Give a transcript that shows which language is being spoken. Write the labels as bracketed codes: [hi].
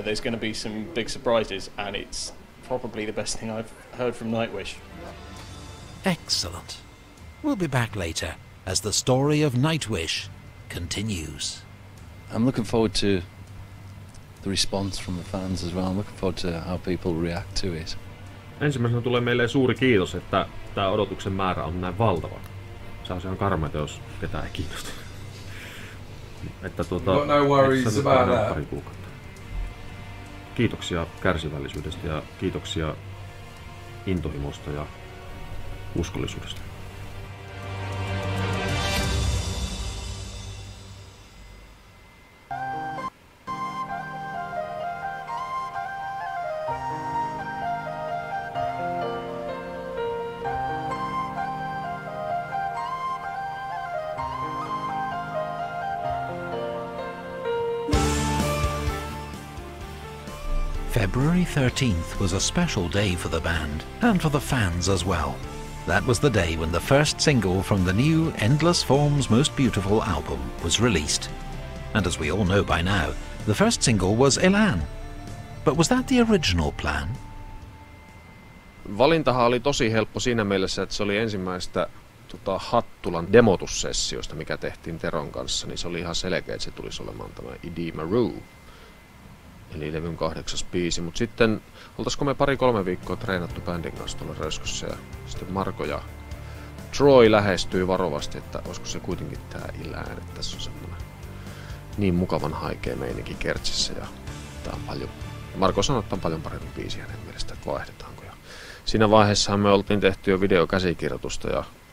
[en] There's going to be some big surprises, and it's probably the best thing I've heard from Nightwish. Excellent. We'll be back later as the story of Nightwish continues. I'm looking forward to the response from the fans as well. I'm looking forward to how people react to it. [fi] Ensimmäisenä tulee meille suuri kiitos, että tämä odotuksen määrä on näin valtava. Se on ihan karmeita, jos ketään ei kiinnosta. Että tuota, [en] no worries about that. [fi] Pari kuukautta. Kiitoksia kärsivällisyydestä ja kiitoksia intohimosta ja uskollisuudesta. [en] February 13th was a special day for the band, and for the fans as well. That was the day when the first single from the new Endless Forms Most Beautiful album was released. And as we all know by now, the first single was Elan. But was that the original plan? [fi] Valintahan oli tosi helppo siinä mielessä, että se oli ensimmäistä Hattulan demotussessioista, mikä tehtiin Teron kanssa, niin se oli ihan selkeä, että se tulisi olemaan tämä Idima Roo. Eli levyn 8. biisi, mutta sitten oltaisiko me 2-3 viikkoa treenattu bändin kanssa tuolla Röyskössä ja sitten Marko ja Troy lähestyi varovasti, että olisiko se kuitenkin tää Ilään, että tässä on semmoinen niin mukavan haikea meininki kertsissä ja tää on paljon, Marko sanoi, että on paljon parempi biisi hänen mielestä, että vaihdetaanko ja siinä vaiheessahan me oltiin tehty jo videokäsikirjoitusta ja